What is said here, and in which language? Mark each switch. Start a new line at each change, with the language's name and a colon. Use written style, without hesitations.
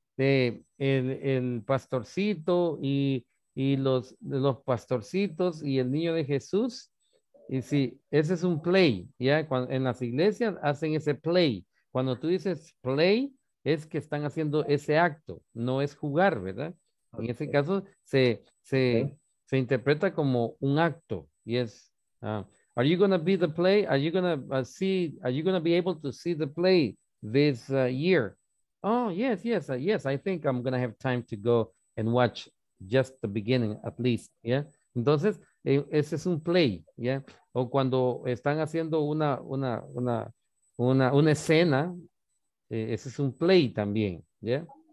Spanish: El pastorcito y los pastorcitos y el niño de Jesús, y si ese es un play, ya cuando en las iglesias hacen ese play, cuando tú dices play, es que están haciendo ese acto, no es jugar, ¿verdad? Okay. En ese caso se interpreta como un acto.
English: Yes. Are you going to be the play? Are you going to be able to see the play this year? Oh, yes, yes, yes. I think I'm going to have time to go and watch just the beginning at least, ¿yeah?
Spanish: Entonces, ese es un play, ¿yeah? O cuando están haciendo una escena, ese es un play también, ¿yeah?